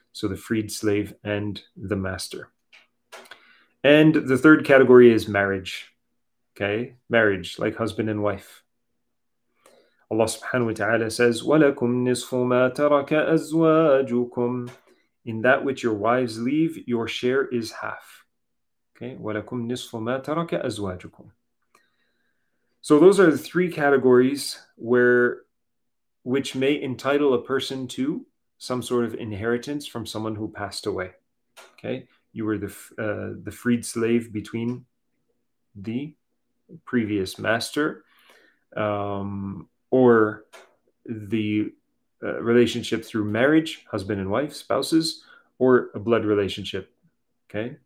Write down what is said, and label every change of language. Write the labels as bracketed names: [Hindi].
[English] So the freed slave and the master. And the third category is marriage. Okay, marriage, like husband and wife. Allah subhanahu wa ta'ala says, [Arabic] وَلَكُمْ نِصْفُ مَا تَرَكَ أَزْوَاجُكُمْ. [English] In that which your wives leave, your share is half. [Arabic] Okay, وَلَكُمْ نِصْفُ مَا تَرَكَ أَزْوَاجُكُمْ. [English] So those are the three categories which may entitle a person to some sort of inheritance from someone who passed away. Okay, you were the freed slave between the previous master, or the relationship through marriage, husband and wife, spouses, or a blood relationship, okay?